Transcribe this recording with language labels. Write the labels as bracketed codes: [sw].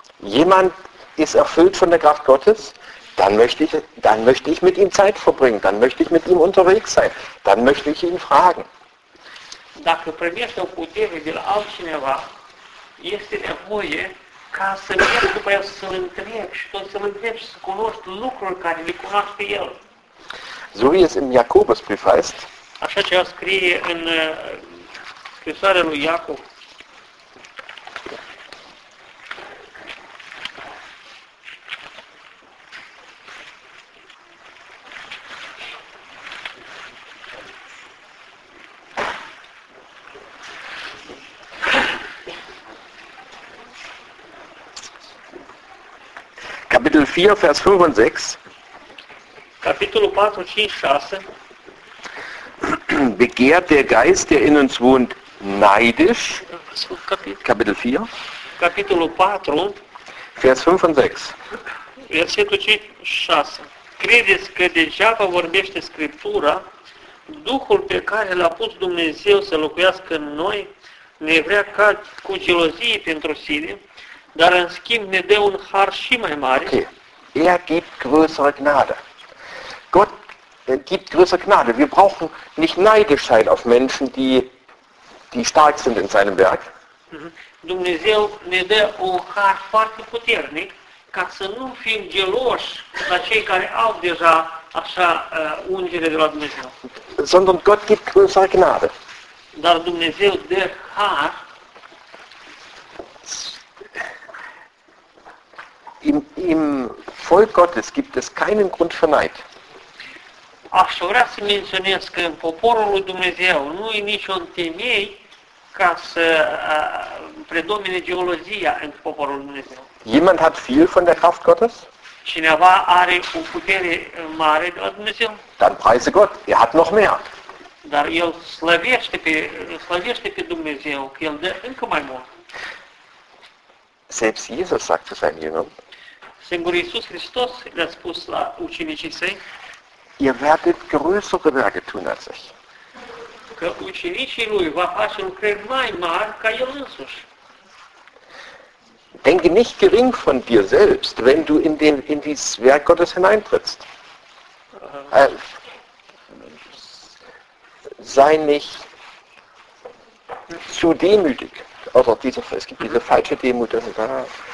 [de] Jemand ist erfüllt von der Kraft Gottes, dann möchte ich mit ihm Zeit verbringen, dann möchte ich mit ihm unterwegs sein, dann möchte ich ihn fragen. [ro] Dacă primește o putere de la altcineva, este nevoie ca să mergi după el să-l întrebi și tot să-l întrebi să cunoști lucruri care le cunoaște el. [de] So wie es im Jakobusbrief heißt, [ro] așa ce scrie în scrisoarea lui Iacob, [de] Kapitel 4, Vers 5 und 6. Kapitel 4, 5, 6. Begehrt der Geist, der in uns wohnt, neidisch? Kapitel 4. Kapitel 4. Vers 5 und 6. Vers 5, 6. [ro] Credeți că degeaba vorbește Scriptura, Duhul pe care l-a pus Dumnezeu să locuiască în noi, ne vrea ca cu gelozie pentru sine, dar în schimb ne dă un har și mai mare. [de] Okay. Er gibt größere Gnade. Gott gibt größere Gnade. Wir brauchen nicht neidisch sein auf Menschen, die stark sind in seinem Werk. [ro] Dumnezeu ne dă un har foarte puternic, ca să nu fim geloși la cei care au deja așa ungere de la Dumnezeu. [de] Sondern Gott gibt größere Gnade. [ro] Dar Dumnezeu dă har. [de] Im Volk Gottes gibt es keinen Grund für Neid. [ro] aș vrea să menționez că în poporul lui Dumnezeu nu e niciun temei ca să predomine geologia în poporul lui Dumnezeu. [de] Jemand hat viel von der Kraft Gottes? [ro] Cineva are o putere mare de la Dumnezeu? [de] Dann preise Gott, hat noch mehr. [ro] Dar el slăvește pe Dumnezeu, că el dă încă mai mult. [de] Selbst Jesus sagt zu seinen Jüngern. [ro] Singur Iisus Hristos le-a spus la ucenicii săi. [de] Ihr werdet größere Werke tun als ich. [ro] Că ucenicii lui va face lucrări mai mari ca el însuși. [de] Denke nicht gering von dir selbst, wenn du in dieses Werk Gottes hineintrittst. Sei nicht zu demütig. Oder diese, es gibt diese falsche Demut. Also da.